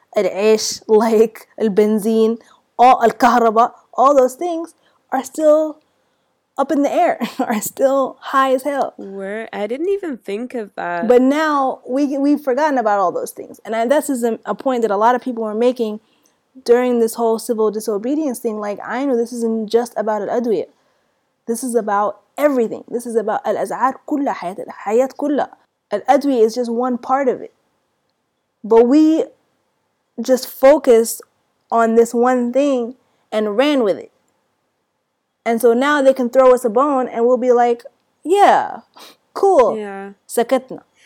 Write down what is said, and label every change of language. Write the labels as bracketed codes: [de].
[en] العيش, like البنزين, الكهرباء, all those things are still up in the air, are still high as hell. I didn't even think of that. But now we've forgotten about all those things. And this is a point that a lot of people were making during this whole civil disobedience thing. Like, I know this isn't just about الأدوية. This is about everything. This is about [ar] الأزعار كلها, حياة الحياة كلها. [en] الأدوية is just one part of it. But we... just focus on this one thing and ran with it. And so now they can throw us a bone and we'll be like, yeah, cool. Yeah. [ar] Sakatna.